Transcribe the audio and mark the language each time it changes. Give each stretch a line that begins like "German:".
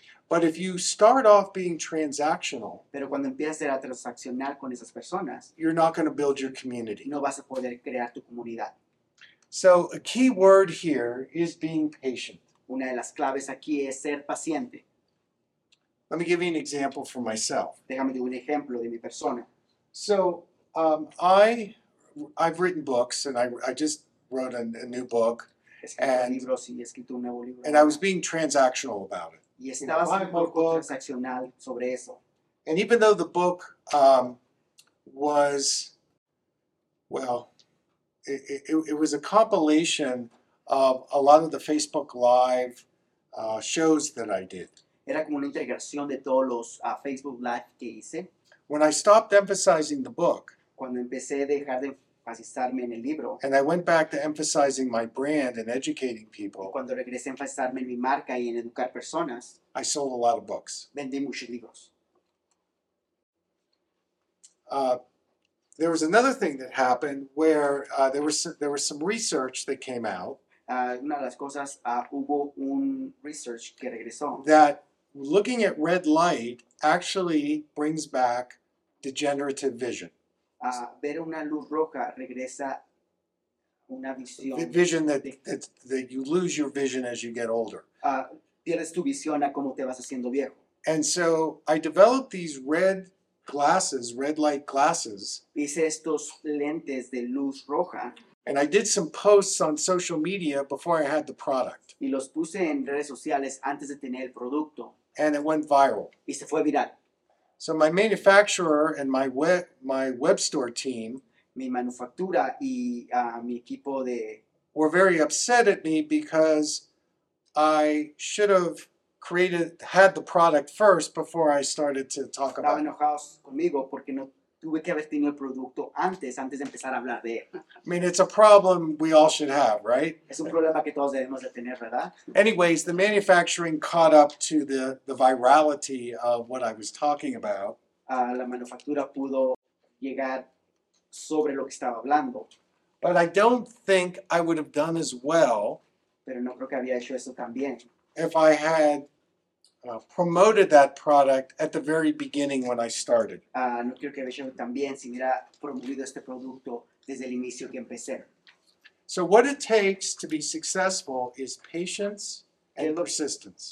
English: But if you start off being transactional,
Spanish: pero cuando empiezas a ser transaccional con esas personas,
English: you're not going to build your community.
Spanish: No vas a poder crear tu comunidad.
English: So a key word here is being patient.
Spanish: Una de las claves aquí es ser paciente.
English: Let me give you an example for myself.
Spanish: Déjame dar un ejemplo de mi persona.
English: So I've written books, and I just wrote a new book. And I was being transactional about it.
Spanish: Y estabas un poco transaccional sobre eso.
English: And even though the book was, well, it was a compilation of a lot of the Facebook Live shows that I did.
Spanish: Era como una integración de todos los Facebook Live que hice.
English: When I stopped emphasizing the book,
Spanish: cuando empecé a dejar de enfatizarme en el libro,
English: and I went back to emphasizing my brand and educating people,
Spanish: y cuando regresé a enfatizarme en mi marca y en educar personas,
English: I sold a lot of books.
Spanish: Vendí muchos libros.
English: There was another thing that happened where there was some research that came out.
Spanish: Una de las cosas, hubo un research que regresó.
English: That looking at red light actually brings back degenerative vision.
Spanish: Ver una luz roja regresa una visión.
English: The vision that you lose your vision as you get older.
Spanish: Pierdes tu visión a cómo te vas haciendo viejo.
English: And so I developed these red glasses, red light glasses.
Spanish: Hice estos lentes de luz roja.
English: And I did some posts on social media before I had the product.
Spanish: Y los puse en redes sociales antes de tener el producto.
English: And it went viral.
Spanish: Y se fue viral.
English: So my manufacturer and my web store team,
Spanish: mi manufactura y mi equipo de,
English: were very upset at me because I should have had the product first before I started to talk about it.
Spanish: Enojados conmigo porque no tuve que haber tenido el producto antes de empezar a hablar de él.
English: I mean, it's a problem we all should have, right?
Spanish: Es un problema que todos debemos de tener, ¿verdad?
English: Anyways, the manufacturing caught up to the virality of what I was talking about.
Spanish: La manufactura pudo llegar sobre lo que estaba hablando.
English: But I don't think I would have done as well.
Spanish: Pero no creo que había hecho eso tan bien.
English: If I had promoted that product at the very beginning when I started.
Spanish: No creo que haya también si hubiera promovido este producto desde el inicio que empecé.
English: So what it takes to be successful is patience and persistence.